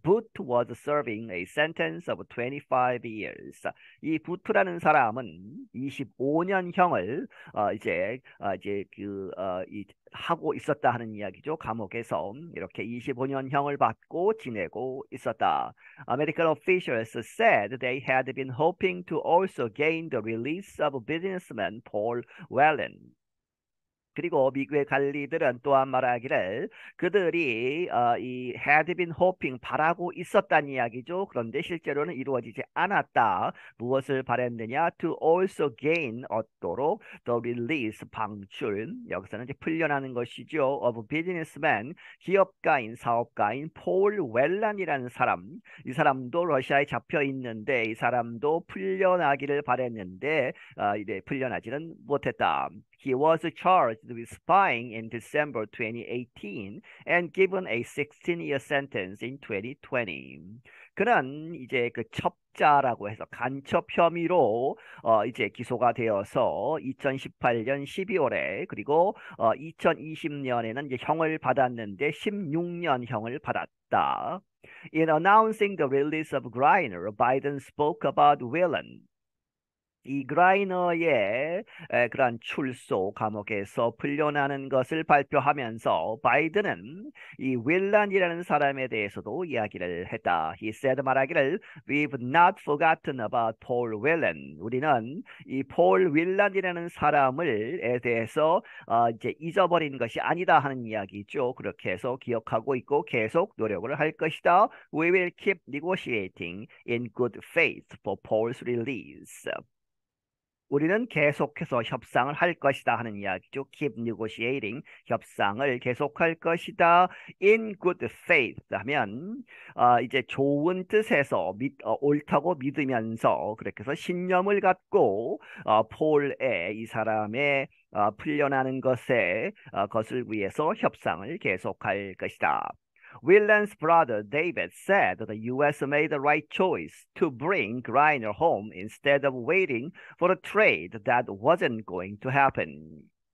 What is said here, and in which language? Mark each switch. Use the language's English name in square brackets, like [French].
[English] Boot was serving a sentence of 25 years. [Korean] 이 부트라는 사람은 25년형을 이제 그, 이, 하고 있었다 하는 이야기죠. 감옥에서 이렇게 25년형을 받고 지내고 있었다. [English] American officials said they had been hoping to also gain the release of businessman Paul Whelan. [Korean] 그리고 미국의 관리들은 또한 말하기를 그들이 이 [English] had been hoping [Korean] 바라고 있었다는 이야기죠. 그런데 실제로는 이루어지지 않았다. 무엇을 바랬느냐? [English] To also gain [Korean] 얻도록 [English] the release [Korean] 방출 여기서는 이제 풀려나는 것이죠. [English] Of businessman [Korean] 기업가인 사업가인 폴 웰란이라는 사람 이 사람도 러시아에 잡혀 있는데 이 사람도 풀려나기를 바랬는데 이제 풀려나지는 못했다. [English] He was charged with spying in December 2018 and given a 16-year sentence in 2020. [Korean] 그는 이제 그 첩자라고 해서 간첩 혐의로 이제 기소가 되어서 2018년 12월에 그리고 2020년에는 이제 형을 받았는데 16년 형을 받았다. [English] In announcing the release of Griner, Biden spoke about Whelan. [Korean] 이 그라이너의 그런 출소 감옥에서 풀려나는 것을 발표하면서 바이든은 이 윌란이라는 사람에 대해서도 이야기를 했다. [English] He said [Korean] 말하기를 [English] We've not forgotten about Paul Whelan. [Korean] 우리는 이폴 윌란이라는 사람을에 대해서 이제 잊어버린 것이 아니다 하는 이야기죠. 그렇게 해서 기억하고 있고 계속 노력을 할 것이다. [English] We will keep negotiating in good faith for Paul's release. [Korean] 우리는 계속해서 협상을 할 것이다 하는 이야기죠. [English] Keep negotiating. [Korean] 협상을 계속할 것이다. [English] In good faith [Korean] 하면 이제 좋은 뜻에서 옳다고 믿으면서 그렇게 해서 신념을 갖고 폴의 이 사람의 풀려나는 것을 위해서 협상을 계속할 것이다. [English] Whelan's brother David said that the U.S. made the right choice to bring Griner home instead of waiting for a trade that wasn't going to happen.